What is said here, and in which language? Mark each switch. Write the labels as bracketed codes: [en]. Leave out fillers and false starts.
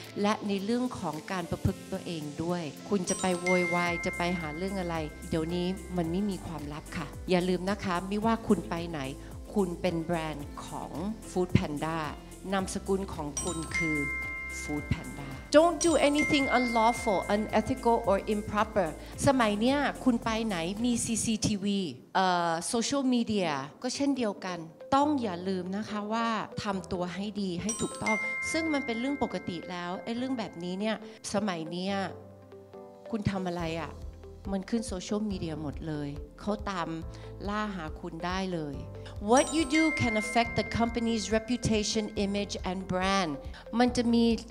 [th] และในเรื่องของการประพฤติตัวเองด้วยคุณจะไปโวยวายจะไปหาเรื่องอะไรเดี๋ยวนี้มันไม่มีความลับค่ะอย่าลืมนะคะไม่ว่าคุณไปไหนคุณเป็นแบรนด์ของฟู้ดแพนด้านามสกุลของคุณคือFood Panda. [en] Don't do anything unlawful, unethical, or improper. [th] สมัยเนี้ยคุณไปไหนมี CCTV, social media ก็เช่นเดียวกันต้องอย่าลืมนะคะว่าทำตัวให้ดีให้ถูกต้องซึ่งมันเป็นเรื่องปกติแล้วไอ้เรื่องแบบนี้เนี่ยสมัยเนี้ยคุณทำอะไรอ่ะมันขึ้นโซเชียลมีเดียหมดเลยเขาตามล่าหาคุณได้เลย [en] What you do can affect the company's reputation, image, and brand [th] มันจะมี